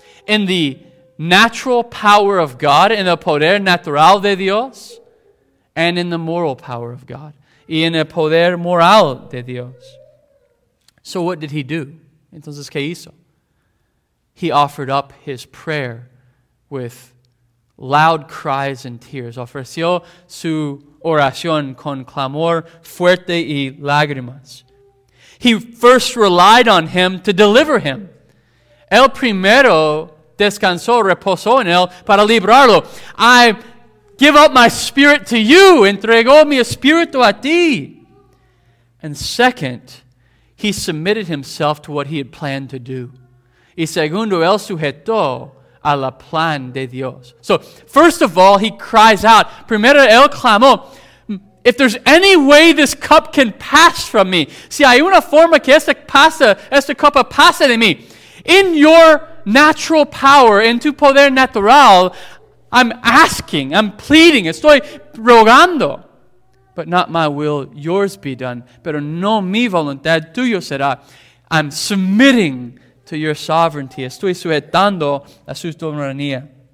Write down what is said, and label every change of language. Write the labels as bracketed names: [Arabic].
[English] In the natural power of God, in the [Spanish] poder natural de Dios, [English] and in the moral power of God, [Spanish] y en el poder moral de Dios. [English] So what did he do? [Spanish] Entonces, ¿qué hizo? [English] He offered up his prayer with loud cries and tears. [Spanish] Ofreció su oración con clamor fuerte y lágrimas. [English] He first relied on him to deliver him. [Spanish] El primero descansó, reposó en él para librarlo. [English] I give up my spirit to you. [Spanish] Entregó mi espíritu a ti. [English] And second, he submitted himself to what he had planned to do. [Spanish] Y segundo, él sujetó a la plan de Dios. [English] So, first of all, he cries out. [Spanish] Primero, él clamó. [English] If there's any way this cup can pass from me. [Spanish] Si hay una forma que esta copa pase de mí. [English] In your natural power, [Spanish] en tu poder natural, [English] I'm asking, I'm pleading, [Spanish] estoy rogando. [English] But not my will, yours be done. [Spanish] Pero no mi voluntad, tuyo será. [English] I'm submitting to your sovereignty. [Spanish] Estoy sujetando a su soberanía.